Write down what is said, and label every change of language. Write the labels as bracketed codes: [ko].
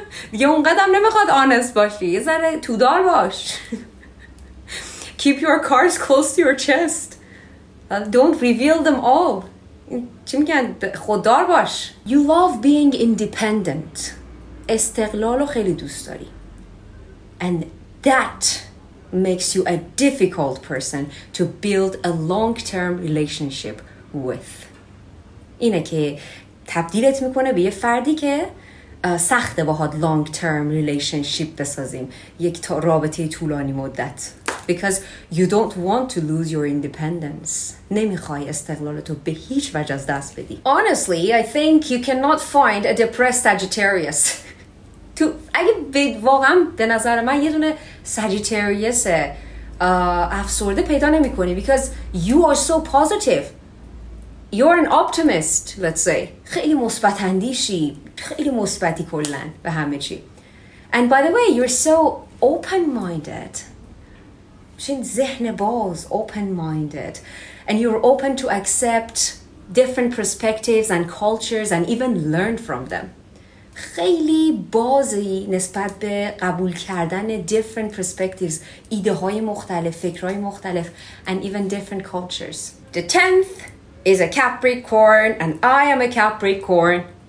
[fa] دیگه اونقدر نمیخواد honest باشی. یه ذره تودار باش. [en] Keep your cards close to your chest. Don't reveal them all. [fa] چی میگن؟ خوددار باش. [en] You love being independent. [fa] استقلالو خیلی دوست داری. [en] And that makes you a difficult person to build a long-term relationship with. [fa] اینه که تبدیلت میکنه به یه فردی که سخته باهات [en] long-term relationship [fa] بسازیم. یک رابطه طولانی مدت. [en] Because you don't want to lose your independence. [fa] نمیخوای استقلالتو به هیچ وجه از دست بدی. [en] Honestly, I think you cannot find a depressed Sagittarius. [fa] تو اگه واقعا به نظر من یه دونه Sagittarius افسرده پیدا نمیکنی. [en] Because you are so positive. You're an optimist, let's say. [fa] خیلی مثبت اندیشی. خیلی مثبتی کلن به همه چی. [en] And by the way, you're so open-minded. [fa] شین ذهن باز, [en] open-minded, and you're open to accept different perspectives and cultures and even learn from them. [fa] خیلی بازی نسبت به قبول کردن [en] different perspectives، [fa] ایده های مختلف، فکرهای مختلف [en] and even different cultures. The 10th is a Capricorn and I am a Capricorn.